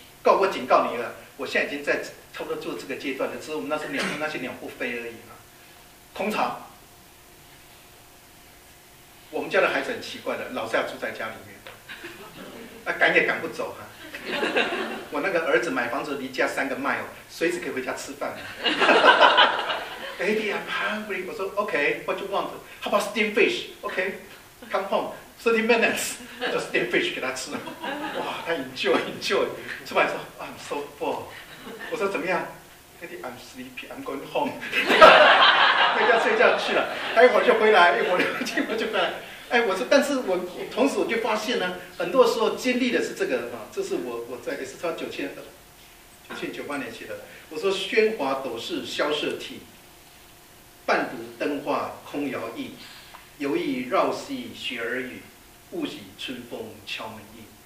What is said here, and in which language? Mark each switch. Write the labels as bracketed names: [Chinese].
[Chinese] 告我警告你了，我现在已经在差不多做这个阶段了，只是我们那些鸟不飞而已嘛，空巢。我们家的孩子很奇怪的，老是要住在家里面，赶也赶不走哈。我那个儿子买房子离家三个 mile， 随时可以回家吃饭。 [English] Baby, I'm hungry。 [Chinese] 我说 [English] OK, what you want? How about steamed fish? OK, come home 30 minutes, just steamed fish [Chinese] 给他吃。哇，他 enjoy。出来说 [English] I'm so full。 [Chinese] 我说怎么样？ [English] Baby, I'm sleepy, I'm going home。 [Chinese] 回家睡觉去了，他一会儿就回来，一会儿就回来。我说，但是我同时我就发现呢，很多时候经历的是这个啊，这是我在也是从1998年写的。我说喧哗斗室萧瑟替，半读灯画空摇曳，犹疑绕隙雪儿语，误以春风敲门意。